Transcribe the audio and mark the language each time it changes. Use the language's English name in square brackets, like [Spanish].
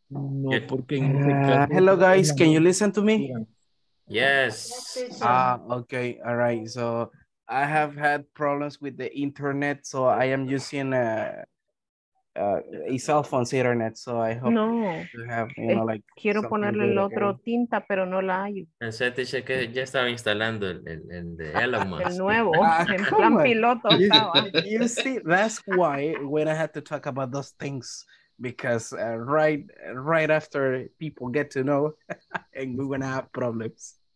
[Spanish] No, porque [English] hello guys, can you listen to me? Yes. Ah, okay, all right. So I have had problems with the internet, so I am using a cell phone's internet. So I hope no. You have, you know, like [Spanish] quiero ponerle el otro tinta, pero no la hay. Pensé, dice que ya estaba instalando el de Elon Musk. El nuevo, en plan piloto. [English] You see, that's why when I had to talk about those things. Because right after people get to know, and we're gonna have problems.